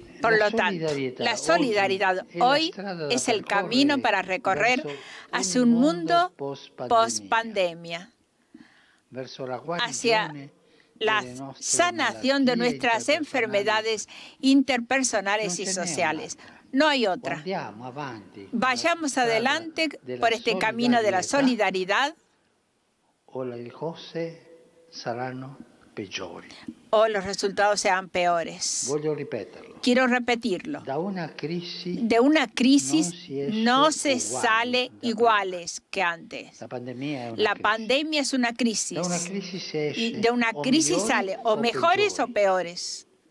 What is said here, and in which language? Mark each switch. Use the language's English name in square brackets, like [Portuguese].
[Spanish] por lo tanto, la solidaridad hoy es el camino para recorrer hacia un mundo post-pandemia, hacia la sanación de nuestras enfermedades interpersonales y sociales. No hay otra. Vayamos adelante por este camino de la solidaridad. [Italian] O le cose saranno peggiori. [Spanish] O los resultados sean peores. [Italian] Voglio ripeterlo. [Spanish] Quiero repetirlo. [Italian] Da una crisi, [Spanish] de una crisis no se sale iguales que antes. La pandemia es una pandemia es una crisis. [Italian] Da una crisis se esce, [Spanish] y de una crisis sale o mejores o peores.